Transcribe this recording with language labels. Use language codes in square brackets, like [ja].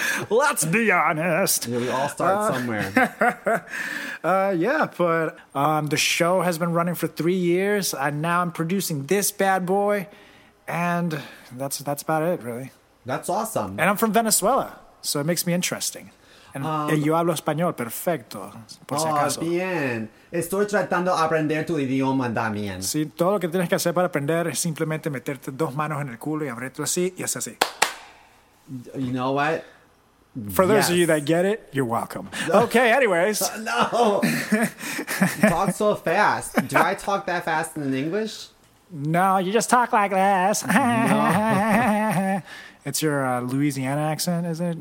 [en] Let's be honest. Yeah, we all start somewhere. The show has been running for 3 years, and now I'm producing this bad boy, and that's about it, really. That's awesome. And I'm from Venezuela, so it makes me interesting. [es] And yo hablo español, perfecto, por si acaso. Bien. Estoy tratando de aprender tu idioma, Damien. Sí, todo lo que tienes que hacer para aprender es simplemente meterte dos manos en el culo y abrirte así, y es así. [en] You know what? For those of you that get it, you're welcome. Okay, anyways. No. Talk so fast. Do I talk that fast in English? No, you just talk like this. No. It's your Louisiana accent, is it?